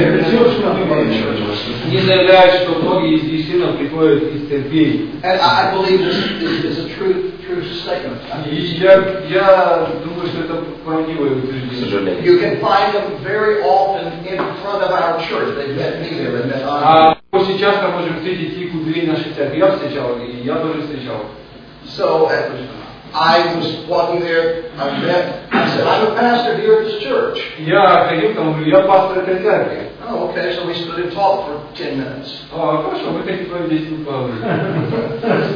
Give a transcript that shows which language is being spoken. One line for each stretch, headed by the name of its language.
Russian: Они заявляют, что многие из их сынов приходят из церкви.
English: I believe this is a true statement.
Russian: Я думаю, что это правдивое утверждение.
English: You can find them very often in front of our church. They met me there.
Russian: Очень часто можем встретить их у двери нашей церкви. Я встречал, и я тоже встречал.
English: So, I was walking there, I said, I'm a pastor here at this church.
Russian: Я ходил там, говорю, я пастор этой церкви.
English: Oh, okay, so we stood and talked for 10 minutes.
Russian: Хорошо, мы хотим с вами 10 минут поговорить.